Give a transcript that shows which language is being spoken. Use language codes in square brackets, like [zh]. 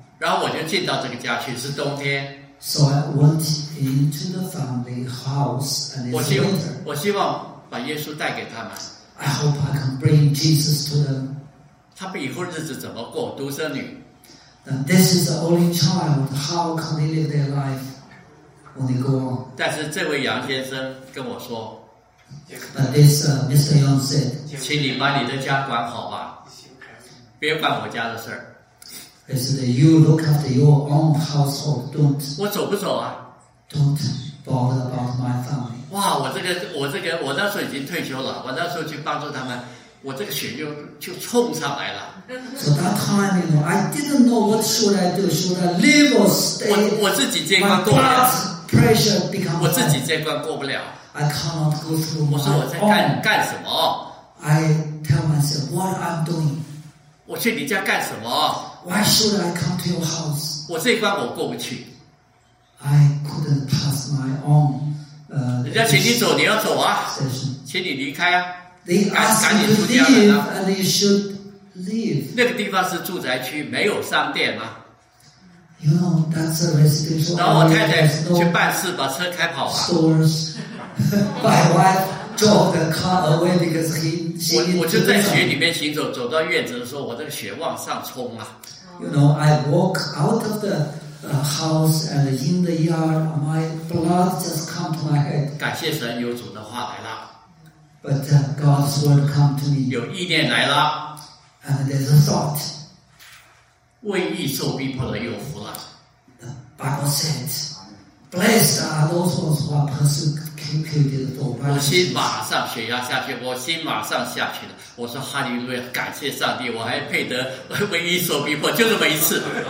[zh] 然后我就进到这个家去，是冬天。 [en] So I went into the family house and it's winter. [zh] 我希望把耶稣带给他们。 [en] I hope I can bring Jesus to them. [zh] 他们以后日子怎么过？独生女。 [en] Then this is the only child. How can they live their life when they go on? [zh] 但是这位杨先生跟我说。 [en] But this Mr. Young said, [zh] 请你把你的家管好吧，别管我家的事儿。 [en] He said, you look after your own household, don't. [zh] 我走不走啊 [en] ？Don't bother about my family. [zh] 哇，我那时候已经退休了，我那时候去帮助他们，我这个血就冲上来了。 [en] So that time, you know, I didn't know what should I do. Should I live or stay? [zh] 我自己健康过不了。 [en] My blood pressure become. [zh] 我自己健康过不了。 [en] I cannot go through my own. [zh] 我说我在干什么 [en] ？I tell myself what I'm doing. [zh] 我去你家干什么 [en] ？Why should I come to your house? [zh] 我这一关我过不去。 [en] I couldn't pass my own. [zh] 人家请你走，你要走啊？请你离开啊 [en] ！They ask you to leave, and you should leave. [zh] 那个地方是住宅区，没有商店吗？ [en] You know that's a residential area. [zh] 然后我太太去办事，把车开跑了。 [en] Stores. My wife drove the car away because he. [zh] 我就在雪里面行走，走到院子的时候，我这个雪往上冲啊。 [en] You know, I walk out of the house and in the yard, my blood just come to my head. [zh] 感谢神，有主的话来了。 [en] But God's word come to me. [zh] 有意念来了。 [en] And there's a thought. [zh] 为义受逼迫的有福了。 [en] The Bible says, "Blessed are those who are persecuted." [zh] 我心马上血压下去，我心马上下去了。我说哈利路亚，感谢上帝，我还配得为你所逼迫，就这么一次。